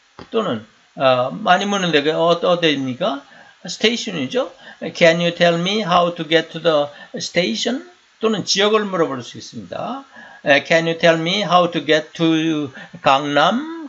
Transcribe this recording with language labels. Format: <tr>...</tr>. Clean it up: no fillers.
<ko>또는 많이 묻는데 어디입니까? station이죠.</ko> <en>Can you tell me how to get to the station?</en> <ko>또는 지역을 물어볼 수 있습니다.</ko> <en>Can you tell me how to get to 강남?</en>